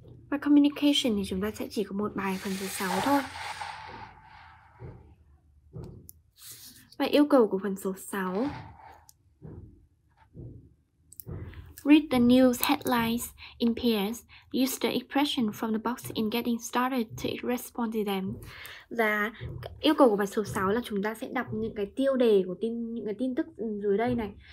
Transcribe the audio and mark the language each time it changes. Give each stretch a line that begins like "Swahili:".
Vietnamese: Và communication thì chúng ta sẽ chỉ có một bài phần số 6 thôi. Và yêu cầu của phần số 6:
English: read the news headlines in pairs. Use the expression from the box in getting started to respond to them.
Vietnamese: Và yêu cầu của bài số 6 là chúng ta sẽ đọc những cái tiêu đề của những cái tin tức dưới đây này.